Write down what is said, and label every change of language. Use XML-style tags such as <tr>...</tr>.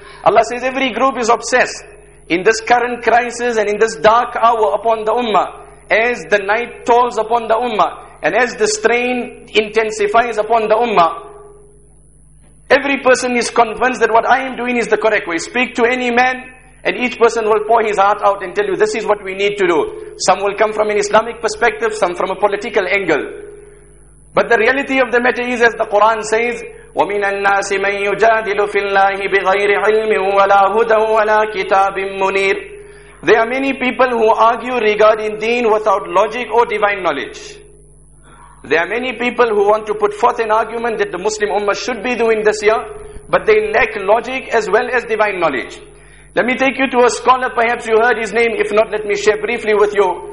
<en>Allah says every group is obsessed in this current crisis and in this dark hour upon the Ummah, as the night tolls upon the Ummah, and as the strain intensifies upon the Ummah. Every person is convinced that what I am doing is the correct way. Speak to any man, and each person will pour his heart out and tell you, this is what we need to do. Some will come from an Islamic perspective, some from a political angle. But the reality of the matter is, as the Quran says,</en> <ar>وَمِنَ النَّاسِ مَنْ يُجَادِلُ فِي اللَّهِ بِغَيْرِ عِلْمٍ وَلَا هُدًى وَلَا كِتَابٍ مُنِيرٍ.</ar> <en>There are many people who argue regarding deen without logic or divine knowledge. There are many people who want to put forth an argument that the Muslim Ummah should be doing this year, but they lack logic as well as divine knowledge. Let me take you to a scholar, perhaps you heard his name, if not, let me share briefly with you.</en>